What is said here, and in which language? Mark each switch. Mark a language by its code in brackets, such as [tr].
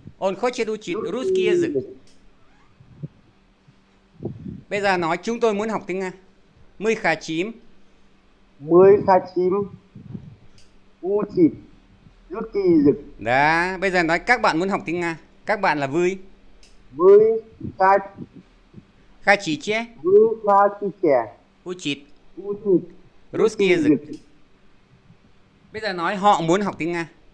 [ru] Он хочет учить русский язык. [vi] Bây giờ nói chúng tôi muốn học tiếng Nga. [ru] Мы хотим. Мы хотим учить русский язык. [vi] Đã, bây giờ nói các bạn muốn học tiếng Nga. Các bạn là vui. [ru] Мы хотим. Хотите. Мы хотите. Учить. Учить русский язык. [vi] Bây giờ nói họ muốn học tiếng Nga.